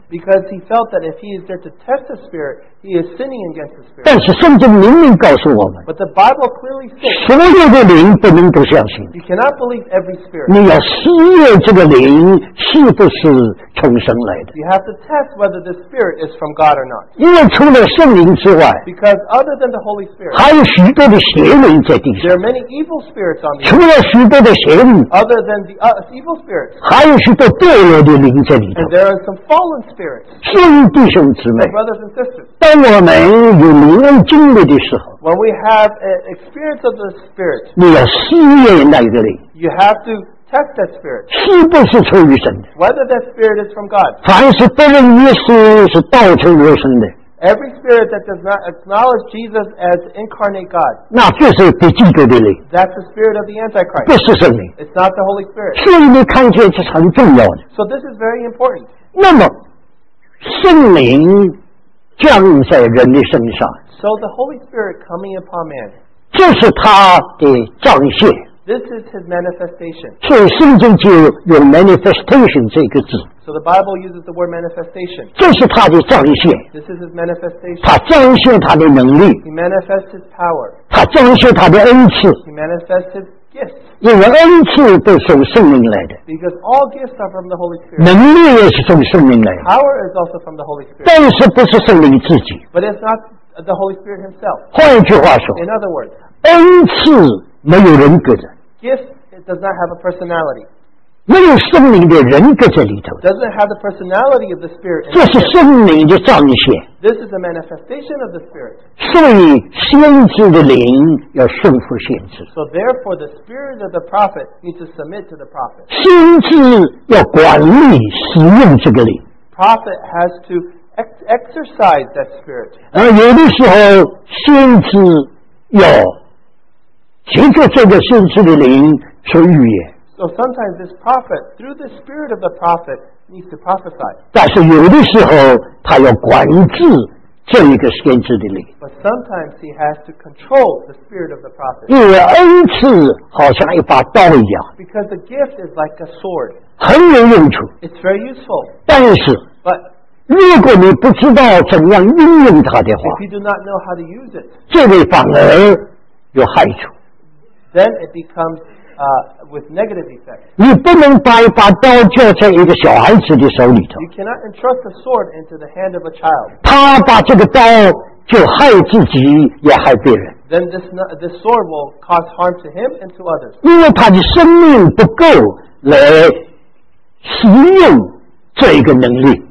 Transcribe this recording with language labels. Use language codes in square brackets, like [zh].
[en] because he felt that if he is there to test the Spirit, he is sinning against the Spirit. [zh] 但是圣经明明告诉我们, [en] but the Bible clearly says, [zh] 所有的灵不能不相信, [en] you cannot believe every Spirit. [zh] 你要试验这个灵是不是从神来的, [en] you have to test whether the Spirit is from God or not. [zh] 因为除了圣灵之外, [en] because other than the Holy Spirit, [zh] 还有许多的邪灵在地上, [en] there are many evil spirits on the earth. [zh] 除了许多的邪灵, [en] other than the evil spirits, [zh] 还有许多堕落的灵在里头, [en] and there are some fallen spirits. [zh] 兄弟兄姊妹, [en] brothers and sisters, [zh] 当我们有灵恩经历的时候, [en] when we have an experience of the Spirit, [zh] 你要试验那个灵, [en] you have to test that Spirit, [zh] 是不是出于神的, [en] whether that Spirit is from God. [zh] 凡是不认耶稣是道成肉身的, [en] every spirit that does not acknowledge Jesus as incarnate God, [zh] 那就是敌基督的灵, [en] that's the spirit of the Antichrist. [zh] 不是圣灵, [en] it's not the Holy Spirit. [zh] 所以你看见这是很重要的, [en] so this is very important. [zh] 那么圣灵降在人的身上, [en] So the Holy Spirit coming upon man. [zh] 这是他的彰显。 [en] This is his manifestation. [zh] 所以圣经就用 manifestation 这个字。 [en] So the Bible uses the word manifestation. [zh] 这是他的彰显。 [en] This is his manifestation. [zh] 他彰显他的能力。 [en] He manifests his power. [zh] 他彰显他的恩赐。 [en] He manifests his gifts. [zh] 因为恩赐都是从圣灵来的 [en] Because all gifts are from the Holy Spirit. [zh] 能力也是从圣灵来的 [en] Power is also from the Holy Spirit. [zh] 但是不是圣灵自己 [en] But it's not the Holy Spirit himself. [zh] 换一句话说 [en] In other words, [zh] 恩赐没有人格的 [en] Gift it does not have a personality. [zh] 没有圣灵的人格在里头 [en] Doesn't have the personality of the Spirit. [zh] 这是圣灵的彰显 [en] This is a manifestation of the Spirit. [zh] 所以先知的灵要顺服先知 [en] So therefore the spirit of the prophet needs to submit to the prophet. [zh] 先知要管理使用这个灵 [en] Prophet has to exercise that spirit. [zh] 而有的时候先知要接着这个先知的灵说预言 [en] So sometimes this prophet through the spirit of the prophet needs to prophesy. [zh] 但是有的时候他要管制这一个先知的灵 [en] But sometimes he has to control the spirit of the prophet. [zh] 因为恩赐好像一把刀一样 [en] Because the gift is like a sword. [zh] 很有用处 [en] It's very useful. [zh] 但是 [en] But [zh] 如果你不知道怎样运用它的话 [en] If you do not know how to use it. [zh] 这个反而有害处 [en] Then it becomes with negative effects. [zh] 你不能把一把刀交在一个小孩子的手里头。 [en] You cannot entrust a sword into the hand of a child. [zh] 他把这个刀就害自己也害别人。 [en] Then this sword will cause harm to him and to others. [zh] 因为他的生命不够来使用这一个能力。